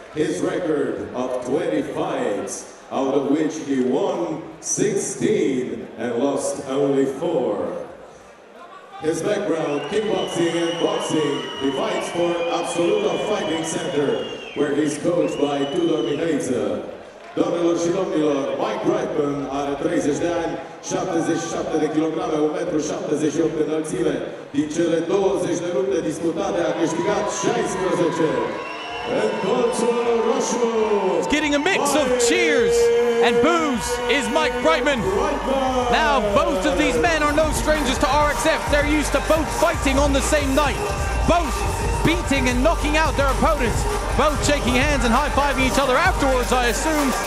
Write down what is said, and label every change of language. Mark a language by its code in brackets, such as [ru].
[en] His record of 20 fights, out of which he won 16 and lost only 4. His background, kickboxing and boxing. He fights for Absoluto Fighting Center, where he's coached by Tudor Mihaiță. [ro] Domnilor și domnilor, Mike Brightmon are 30 de ani, 77 de kilograme, 1,78 m înălțime. Din cele 20 de lupte disputate, a câștigat 16. În colțul roșu, [en] it's getting a mix of cheers and boos is Mike Brightmon. Now, both of these men are no strangers to RXF. They're used to both fighting on the same night, both beating and knocking out their opponents, both shaking hands and high-fiving each other afterwards, I assume.